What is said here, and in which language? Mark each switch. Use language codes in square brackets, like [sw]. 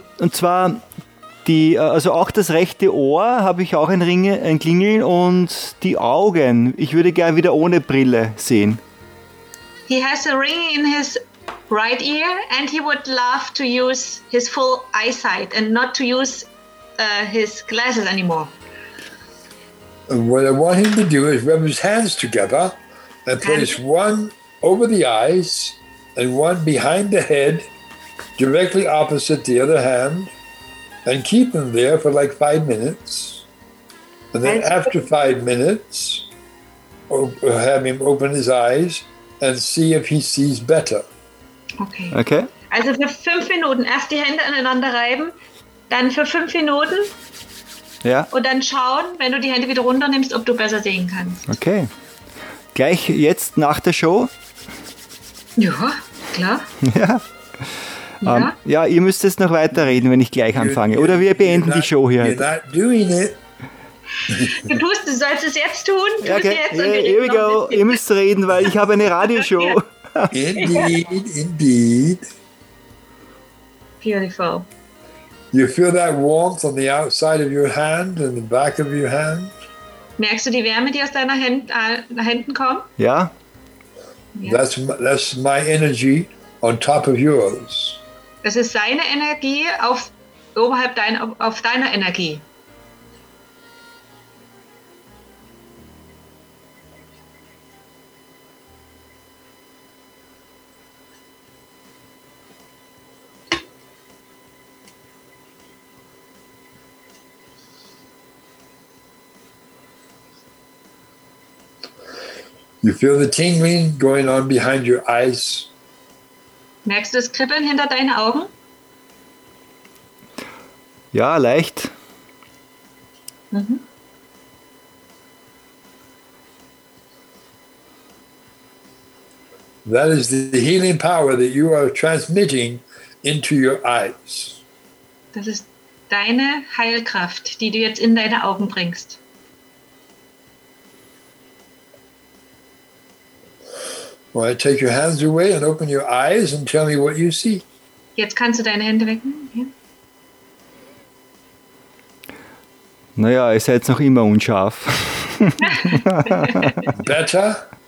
[de] Und zwar die, also auch das rechte Ohr habe ich auch ein Klingeln und die Augen. Ich würde gerne wieder ohne Brille sehen. [en] He has a ring in his right ear and he would love to use his full eyesight and not to use his glasses anymore. What I want him to do is rub his hands together and place one over the eyes and one behind the head. Directly opposite the other hand, and keep them there for like 5 minutes. And then after 5 minutes, have him open his eyes and see if he sees better. Okay. Okay. [de] Also für 5 Minuten erst die Hände aneinander reiben, dann für 5 Minuten. Ja. Und dann schauen, wenn du die Hände wieder runternimmst, ob du besser sehen kannst. Okay. Gleich jetzt nach der Show? Ja, klar. Ja. Ja. Ja, ihr müsst jetzt noch weiterreden, wenn ich gleich anfange. Oder wir beenden [en] not, [de] die Show hier. [en] You're not doing it. [de] Du sollst es jetzt tun. Tust [en] okay, [de] jetzt yeah, [en] here we go. [de] Ihr müsst reden, weil ich habe eine Radioshow. [en] Indeed, indeed. Beautiful. You feel that warmth on the outside of your hand and the back of your hand? [de] Merkst du die Wärme, die aus deiner Händen kommt? Ja. [en] That's my energy. On top of yours. [de] Das ist seine Energie auf deiner Energie. [en] You feel the tingling going on behind your eyes. [de] Merkst du das Kribbeln hinter deinen Augen? Ja, leicht. [en] That is the healing power that you are transmitting into your eyes. [de] Das ist deine Heilkraft, die du jetzt in deine Augen bringst. [en] Well, I take your hands away and open your eyes and tell me what you see. [de] Jetzt kannst du deine Hände wecken. Naja, ihr seid noch immer unscharf. [en] Better?